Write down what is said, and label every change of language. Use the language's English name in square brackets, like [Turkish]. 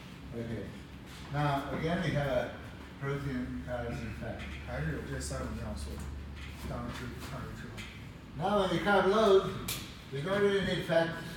[English] Okay, now again we have protein, carbs, and fat. [Chinese] 还是有这三种要素，当然是碳水之后。 [English] Now when you carb load, you don't really need fat.